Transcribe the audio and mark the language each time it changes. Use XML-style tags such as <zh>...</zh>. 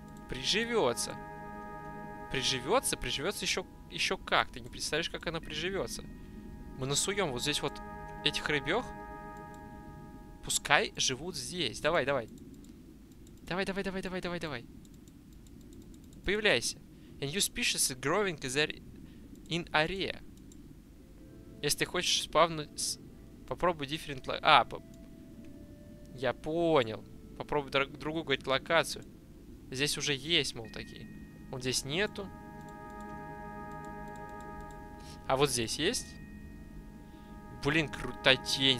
<ru>Приживется. Приживется, приживется еще как. Ты не представляешь, как она приживется. Мы насуем вот здесь вот этих рыбёх. Пускай живут здесь. Давай, давай. Давай, давай, давай, давай, давай, давай. Появляйся.</ru> <en>A new species is growing there in area.</en> <ru>Если ты хочешь спавнуть... Попробуй different... Я понял. Попробуй другую, говорит, локацию. Здесь уже есть, мол, такие. Вот здесь нету. А вот здесь есть? Блин, крутотень.</ru>